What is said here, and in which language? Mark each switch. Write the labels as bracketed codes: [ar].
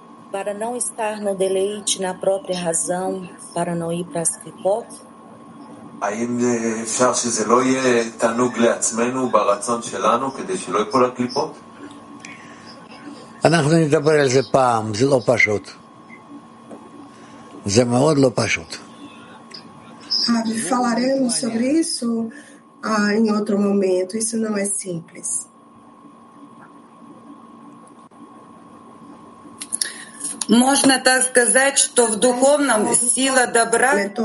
[pt] para não estar no deleite na própria razão, para não ir para as Kripot? [he] האם אפשר שזה לא יהיה תענוג לעצמנו ברצון שלנו כדי שלא יפול הקליפות? אנחנו נדבר על זה פעם, זה לא פשוט. זה מאוד לא פשוט. [pt] Falaremos sobre isso em outro momento, isso não é simples. [ru] Можно так сказать, что в духовном сила добра...